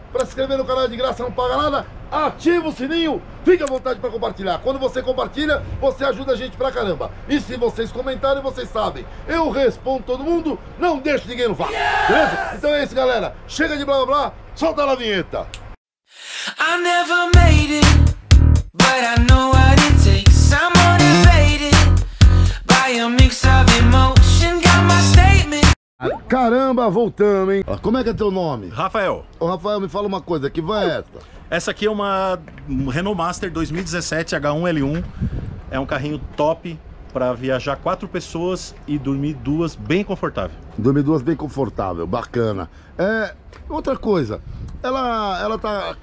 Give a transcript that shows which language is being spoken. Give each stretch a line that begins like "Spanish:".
Portuguese: Para se inscrever no canal de graça, não paga nada. Ativa o sininho, fica à vontade para compartilhar. Quando você compartilha, você ajuda a gente pra caramba. E se vocês comentarem, vocês sabem, eu respondo todo mundo, não deixo ninguém no vácuo. Yes! Beleza? Então é isso, galera. Chega de blá blá blá, solta lá a vinheta.
English: I never made it, but I know what it takes. I'm motivated by a mix of emotion. Got my statement.
Portuguese: Caramba, voltamos, hein? Como é que é teu nome? Rafael. Ô, Rafael, me fala uma coisa, que van é essa? Essa aqui é uma Renault Master 2017 H1L1. É um carrinho top para viajar 4 pessoas e dormir 2 bem confortável. Dormir 2 bem confortável, bacana. É, outra coisa, ela tá.